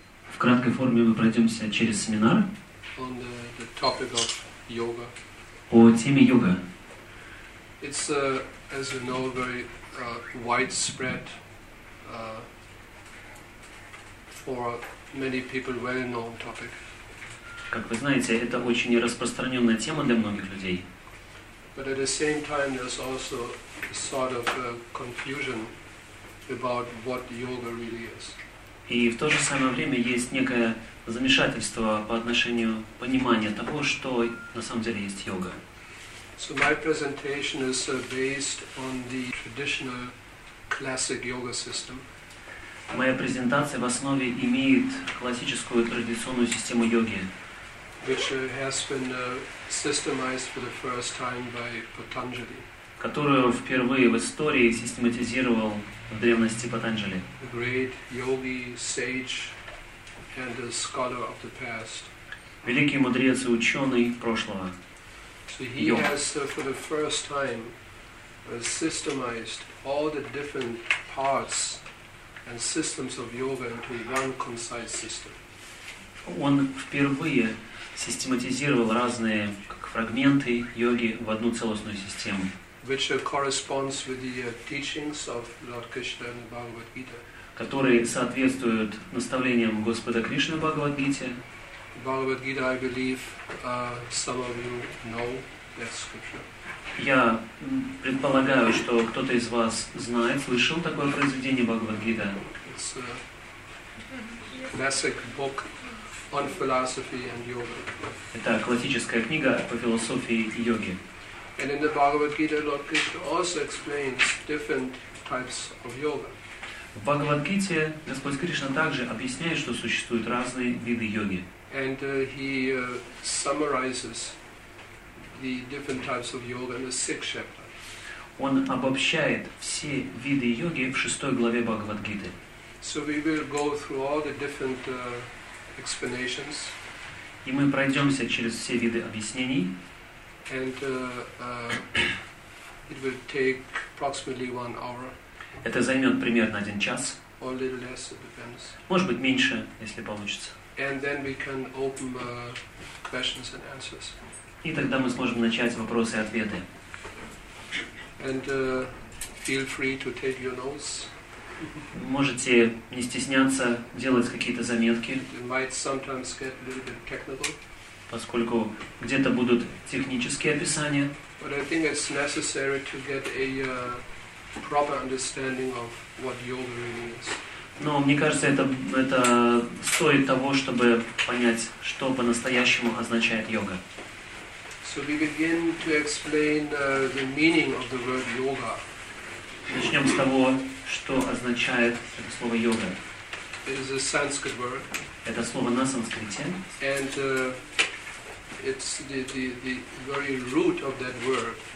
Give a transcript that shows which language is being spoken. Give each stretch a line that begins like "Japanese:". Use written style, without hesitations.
Russian: В краткой форме мы пройдемся через семинар.
English: On the topic of yoga.
Russian: По теме йога.
English: It's a, as you know, very widespread for many people well-known topic.
Russian: Как вы знаете, это очень распространенная тема для многих людей.
English: But at the same time, there's also sort of a confusion about what yoga really is.
Russian: И в то же самое время есть некое замешательство по отношению понимания того, что на самом деле есть йога.
English: So my presentation is based on the traditional classic yoga system.
Russian: Моя презентация в основе имеет классическую традиционную систему йоги,
English: which has been systemized for the first time by Patanjali,
Russian: которую впервые в истории систематизировал в древности Патанджали.
English: The great yogi, sage, and a scholar of the past.
Russian: Великий мудрец и ученый прошлого.
English: So he has for the first time systemized all the different parts and systems of yoga into one concise system.
Russian: Он впервые систематизировал разные фрагменты йоги в одну целостную систему,
English: which corresponds with the teachings of Lord Krishna in the Bhagavad Gita.
Russian: Которые соответствуют наставлениям Господа Кришны в Бхагавад Гите.
English: Bhagavad Gita, I believe, some of you know that scripture.
Russian: Я предполагаю, что кто-то из вас знает, слышал такое произведение Бхагавад Гита.
English: It's a classic book on philosophy and yoga.
Russian: Это классическая книга по философии и йоге.
English: And in the Bhagavad Gita, Lord Krishna also explains different types of yoga.
Russian: В Бхагавад Гите Господь Кришна также объясняет, что существуют разные виды йоги.
English: And he summarizes the different types of yoga in the sixth chapter.
Russian: Он обобщает все виды йоги в шестой главе Бхагавад Гиты.
English: So we will go through all the different explanations.
Russian: И мы пройдемся через все виды объяснений.
English: And it will take approximately 1 hour.
Russian: Это займет примерно 1 час.
English: Or a little less, it depends.
Russian: Может быть, меньше, если получится.
English: And then we can open questions and answers.
Russian: И тогда мы сможем начать вопросы и ответы.
English: And feel free to take your notes.
Russian: Можете не стесняться делать какие-то заметки.
English: It might sometimes get a little bit technical.
Russian: Поскольку где-то будут технические описания.
English: But I think it's necessary to get a proper understanding of what yoga really is.
Russian: Но мне кажется, это стоит того, чтобы понять, что по-настоящему означает йога.
English: So we begin to explain the meaning of the word yoga.
Russian: Начнем с того, что означает это слово йога.
English: It is a Sanskrit word.
Russian: Это слово на санскрите.
English: And it's the very root of that word.